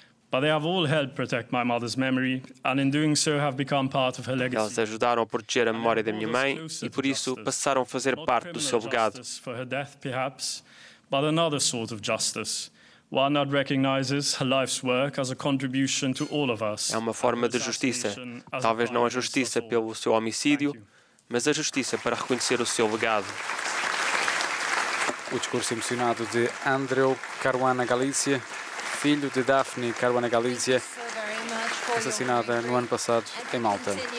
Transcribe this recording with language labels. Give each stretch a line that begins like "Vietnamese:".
English: But they have all helped protect my mother's memory, and in doing so have become part of her legacy.
Portuguese: Elas ajudaram a proteger a memória da minha mãe e por isso passaram a fazer parte do seu legado.
English: For her death, perhaps, but another sort of justice, one that recognizes her life's work as a contribution to all of us.
Portuguese: É uma forma de justiça, talvez não a justiça pelo seu homicídio, mas a justiça para reconhecer o seu legado. O discurso emocionado de Andrew Caruana Galizia, filho de Daphne Caruana Galizia, assassinada no ano passado em Malta.